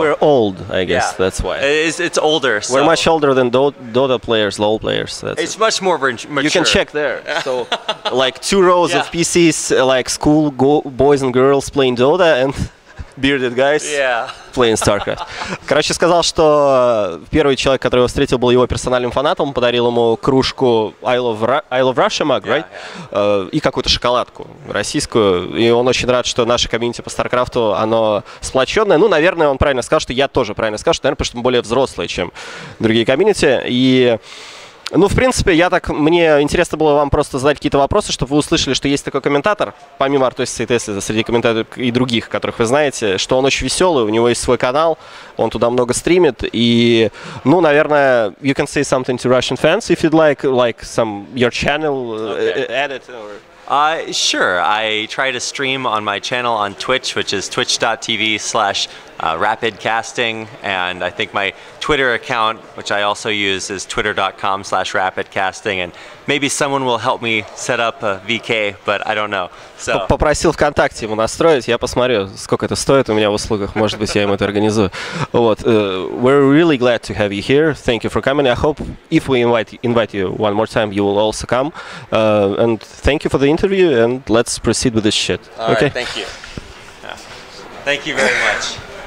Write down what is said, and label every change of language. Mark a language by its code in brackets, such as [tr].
[en] we're old, I guess. Yeah. That's why it's older. So we're much older than Dota players, LoL players. That's it's much more mature. You can check there. So like two rows of PCs, like school boys and girls playing Dota, and bearded guys playing StarCraft. [ru] Короче, сказал, что первый человек, который его встретил, был его персональным фанатом, подарил ему кружку I Love Russia mug, right? И какую-то шоколадку российскую. И он очень рад, что наше комьюнити по StarCraft, оно сплоченное. Ну, наверное, он правильно сказал, что я тоже правильно сказал, что, наверное, потому что мы более взрослые, чем другие комьюнити. И ну, в принципе, мне интересно было вам просто задать какие-то вопросы, чтобы вы услышали, что есть такой комментатор, помимо Артосиса и Тесли, среди комментаторов и других, которых вы знаете, что он очень веселый, у него есть свой канал, он туда много стримит, и, ну, наверное, you can say something to Russian fans, if you'd like some your channel, edit, or [en] Sure, I try to stream on my channel on Twitch, which is twitch.tv/rapidcasting, and I think my Twitter account, which I also use, is twitter.com/rapidcasting, and maybe someone will help me set up a VK, but I don't know. So [ru] попросил ВКонтакте его настроить, я посмотрю, сколько это стоит у меня в услугах, может быть, я ему это организую. [en] Вот, we're really glad to have you here. Thank you for coming. I hope if we invite you one more time, you will also come. And thank you for the interview, and let's proceed with this shit. All right, thank you. Thank you very much.